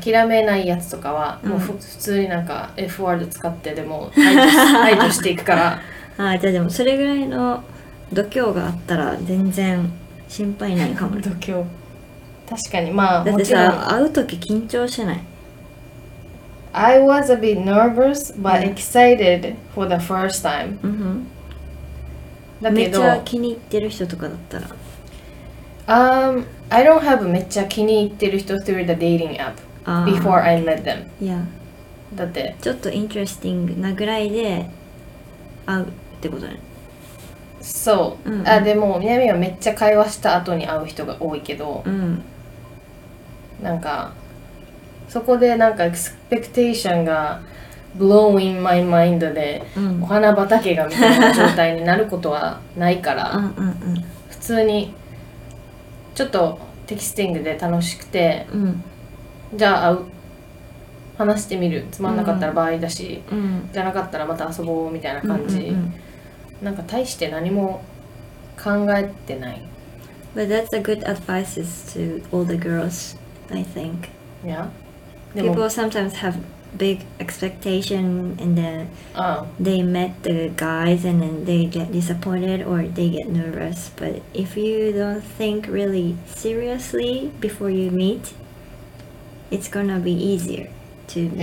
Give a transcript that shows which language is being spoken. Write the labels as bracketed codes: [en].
[ja] 諦めないやつとかはもう、うん、普通になんか F ワード使ってでも排除していくから。あ、じゃあでもそれぐらいの度胸があったら全然心配ないかも。度胸、確かに。まあだってさ、会う時緊張しない？ [en] I was a bit nervous but excited for the first time、 [ja] うん、だけどめっちゃ気に入ってる人とかだったら、 [en] I don't have [ja] めっちゃ気に入ってる人 [en] through the dating app before I met them。 [ja] いや、だってちょっと interesting なぐらいで会うってことね。そう、うんうん、あ、でも南はめっちゃ会話した後に会う人が多いけど、うん、なんかそこでなんか expectation が [en] blowing my mind [ja] で、うん、お花畑がみたいな状態になることはないからうんうん、うん、普通にちょっとテキスティングで楽しくて、うん、じゃあ会う、話してみる、つまんなかったら場合だし、うん、じゃなかったらまた遊ぼうみたいな感じ、うんうんうん、なんか大して何も考えてない。 [en] But that's a good advice to all the girls, I think. Yeah. People sometimes haveBig expectation and then、they met the guys and then they get disappointed or they get nervous. But if you don't think really seriously before you meet, it's gonna be easier to meet.